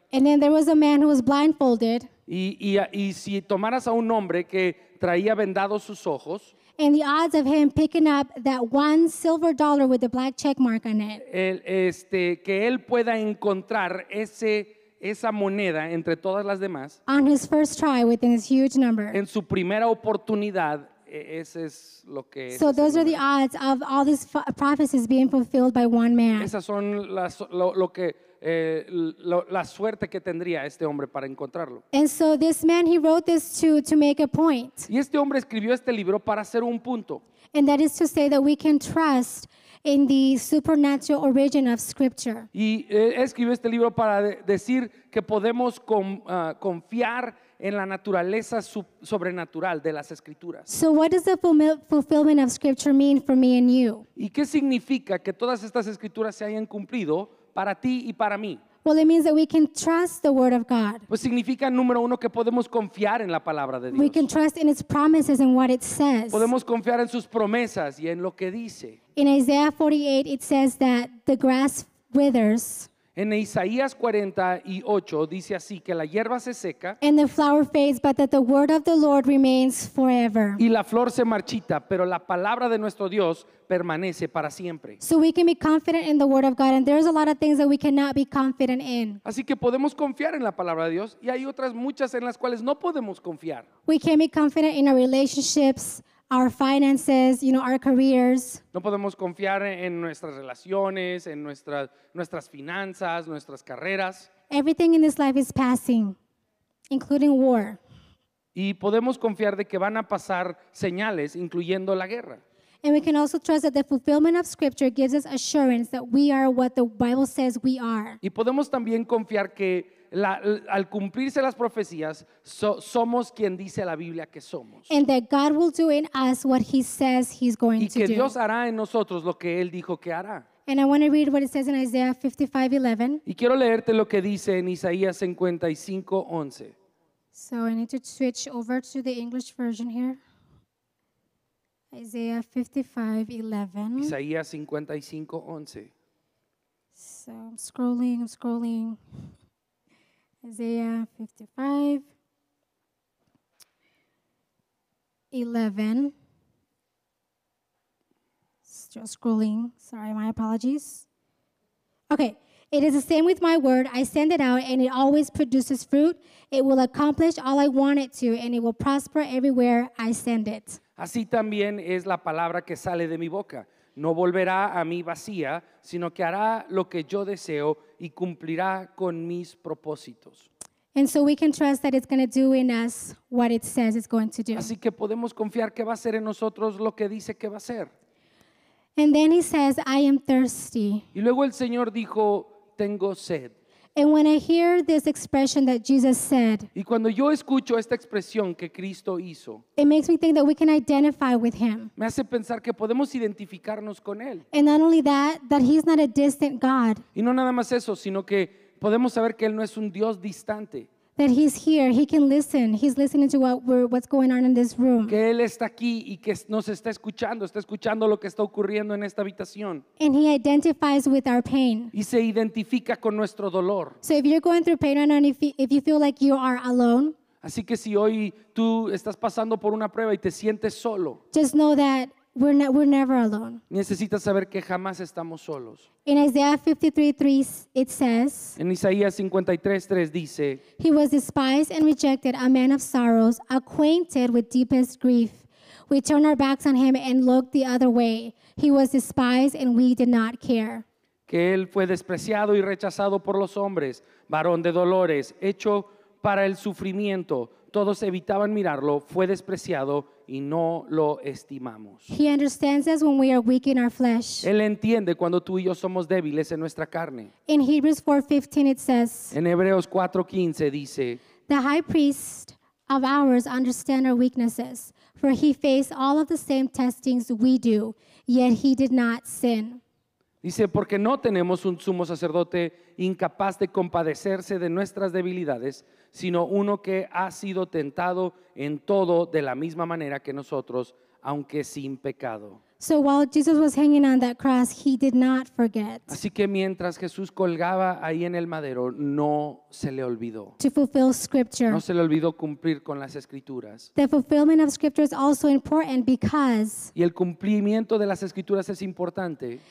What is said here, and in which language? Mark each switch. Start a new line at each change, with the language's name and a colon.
English: And then there was a man who was blindfolded.
Spanish: Y si tomaras a un hombre que traía vendados sus ojos.
English: And the odds of him picking up that one silver dollar with the black check mark on it.
Spanish: Que él pueda encontrar esa moneda entre todas las demás.
English: On his first try within his huge number.
Spanish: En su primera oportunidad, ese es lo que es.
English: So those are the odds of all these prophecies being fulfilled by one man.
Spanish: Esas son la suerte que tendría este hombre para encontrarlo.
English: And so this man, he wrote this to make a point.
Spanish: Y este hombre escribió este libro para hacer un punto.
English: And that is to say that we can trust in the supernatural origin of Scripture.
Spanish: Y escribió este libro para decir que podemos confiar en la naturaleza sobrenatural de las Escrituras.
English: So what does the fulfillment of Scripture mean for me and you?
Spanish: ¿Y qué significa que todas estas Escrituras se hayan cumplido para ti y para mí?
English: Well, it means that we can trust the Word of God.
Spanish: Pues significa, número uno, que podemos confiar en la palabra de Dios.
English: We can trust in its promises and what it says.
Spanish: Podemos confiar en sus promesas y en lo que dice.
English: In Isaiah 48, it says that the grass withers.
Spanish: En Isaías 48 dice así, que la hierba se seca.
English: And the flower fades, but that the word of the Lord remains forever.
Spanish: Y la flor se marchita, pero la palabra de nuestro Dios permanece para siempre.
English: So we can be confident in the word of God, and there's a lot of things that we cannot be confident in.
Spanish: Así que podemos confiar en la palabra de Dios, y hay otras muchas en las cuales no podemos confiar.
English: We can be confident in our relationships, our finances, you know, our careers.
Spanish: No podemos confiar en nuestras relaciones, en nuestras finanzas, nuestras carreras.
English: Everything in this life is passing, including war.
Spanish: Y podemos confiar de que van a pasar señales, incluyendo la guerra.
English: And we can also trust that the fulfillment of Scripture gives us assurance that we are what the Bible says we are.
Spanish: Y podemos también confiar que al cumplirse las profecías, somos quien dice la Biblia que somos.
English: And that God will do in us what he says he's going to do.
Spanish: Y que Dios hará en nosotros lo que él dijo que hará.
English: And I want to read what it says in Isaiah 55:11.
Spanish: Y quiero leerte lo que dice en Isaías 55:11.
English: So I need to switch over to the English version here. Isaiah 55:11.
Spanish: Isaías 55:11.
English: So I'm scrolling. Isaiah 55:11. Still scrolling. Sorry, my apologies. Okay. It is the same with my word. I send it out and it always produces fruit. It will accomplish all I want it to and it will prosper everywhere I send it.
Spanish: Así también es la palabra que sale de mi boca. No volverá a mí vacía, sino que hará lo que yo deseo y cumplirá con mis propósitos.
English: And so we can trust that it's going to do in us what it says it's going to do.
Spanish: Así que podemos confiar que va a hacer en nosotros lo que dice que va a hacer.
English: And then he says, I am thirsty.
Spanish: Y luego el Señor dijo, tengo sed.
English: And when I hear this expression that Jesus said,
Spanish: y cuando yo escucho esta expresión que Cristo hizo,
English: it makes me think that we can identify with him.
Spanish: Me hace pensar que podemos identificarnos con él.
English: And not only that, that he's not a distant God.
Spanish: Y no nada más eso, sino que podemos saber que él no es un Dios distante.
English: That he's here, he can listen. He's listening to what's going on in this room.
Spanish: Que él está aquí y que nos está escuchando lo que está ocurriendo en esta habitación.
English: And he identifies with our pain.
Spanish: Y se identifica con nuestro dolor.
English: So if you're going through pain right now, and if you feel like you are alone,
Spanish: así que si hoy tú estás pasando por una prueba y te sientes solo,
English: just know that we're never alone.
Spanish: Necesitas saber que jamás estamos solos.
English: In Isaiah 53:3, it says,
Spanish: en Isaías 53:3 dice,
English: he was despised and rejected, a man of sorrows, acquainted with deepest grief. We turned our backs on him and looked the other way. He was despised and we did not care.
Spanish: Que él fue despreciado y rechazado por los hombres, varón de dolores, hecho para el sufrimiento. Todos evitaban mirarlo, fue despreciado y no lo estimamos.
English: He understands us when we are weak in our flesh.
Spanish: Él entiende cuando tú y yo somos débiles en nuestra carne.
English: In Hebrews 4:15 it says,
Spanish: en Hebreos 4:15 dice,
English: the high priest of ours understands our weaknesses, for he faced all of the same testings we do, yet he did not sin.
Spanish: Dice, porque no tenemos un sumo sacerdote incapaz de compadecerse de nuestras debilidades, sino uno que ha sido tentado en todo de la misma manera que nosotros, aunque sin pecado.
English: So while Jesus was hanging on that cross, he did not forget.
Spanish: Así que mientras Jesús colgaba ahí en el madero, no se le olvidó.
English: To fulfill Scripture.
Spanish: No se le olvidó cumplir con las Escrituras.
English: The fulfillment of Scripture is also important because,
Spanish: y el cumplimiento de las Escrituras es importante,